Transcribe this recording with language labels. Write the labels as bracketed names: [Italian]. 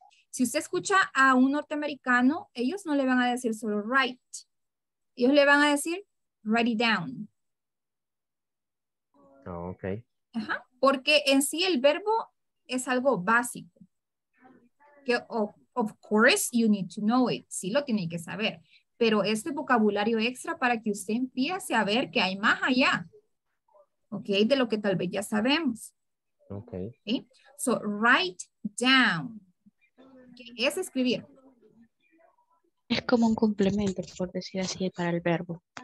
[Spanish] Si usted escucha a un norteamericano, ellos no le van a decir solo write. Ellos le van a decir [English] write it down. Oh, okay. Ajá. [Spanish] Porque en sí el verbo es algo básico. Que [English] of course you need to know it. [Spanish] Sí lo tiene que saber. Pero este vocabulario extra para que usted empiece a ver que hay más allá. Ok, de lo que tal vez ya sabemos. Ok. ¿Sí? [English] So write down. [Spanish] ¿Qué es escribir? Es como un complemento, por decir así, para el verbo.